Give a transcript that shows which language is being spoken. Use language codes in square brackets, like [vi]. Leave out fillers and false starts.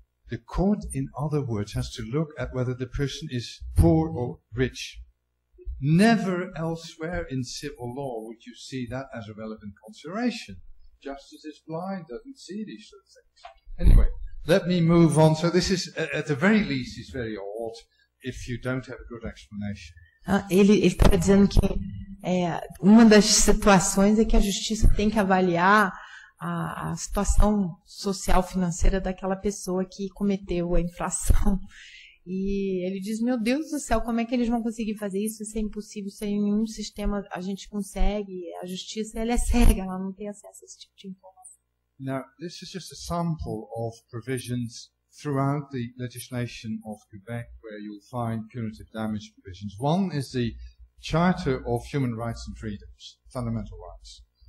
[en] The court, in other words, has to look at whether the person is poor or rich. Never elsewhere in civil law would you see that as a relevant consideration. Justice is blind, doesn't see these sort of things. Anyway, let me move on. So this is, at the very least, is very odd if you don't have a good explanation. [pt] Ele está dizendo que uma das situações é que a justiça tem que avaliar a situação social financeira daquela pessoa que cometeu a infração. E ele diz, meu Deus do céu, como é que eles vão conseguir fazer isso? Isso é impossível, sem nenhum sistema a gente consegue. A justiça, ela é cega, ela não tem acesso a esse tipo de informação. [en] Now, this is just a sample of provisions throughout the legislation of Quebec where you'll find punitive damage provisions. One is the Charter of Human Rights and Freedoms, Fundamental Rights.